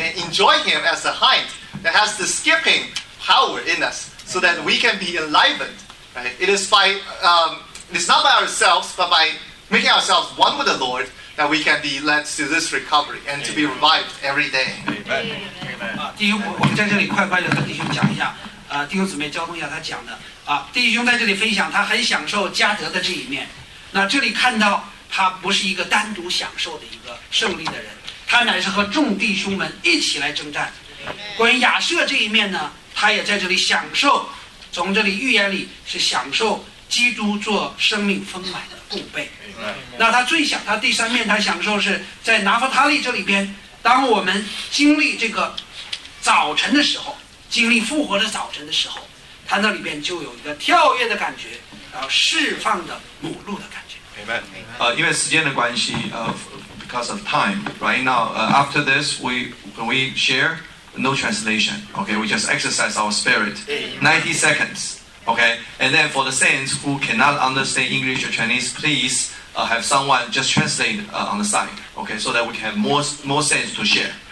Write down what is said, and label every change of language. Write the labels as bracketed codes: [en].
[en] And enjoy Him as the hind that has the skipping power in us so that we can be enlivened, right? It is by... It's not by ourselves, but by making ourselves one with the Lord that we can be led to this recovery and to be revived every day. Amen. Amen. [zh] 弟兄，我在这里快快地和弟兄讲一下，弟兄姊妹交通一下他讲的。弟兄在这里分享，他很享受加德的这一面。那这里看到他不是一个单独享受的一个胜利的人，他乃是和众弟兄们一起来征战。关于亚瑟这一面呢，他也在这里享受，从这里预言里是享受基督做生命丰满的供备。那他最想他第三面他享受是在拿弗他利这里边，当我们经历这个早晨的时候，经历复活的早晨的时候，他那里边就有一个跳跃的感觉，然后释放的母鹿的感觉。 [en] Amen. [zh] 因为时间的关系 [en] because of time right now after this when we share no translation, okay, we just exercise our spirit 90 secondsOkay, and then for the saints who cannot understand English or Chinese, please have someone just translate on the side, okay, so that we can have more saints to share.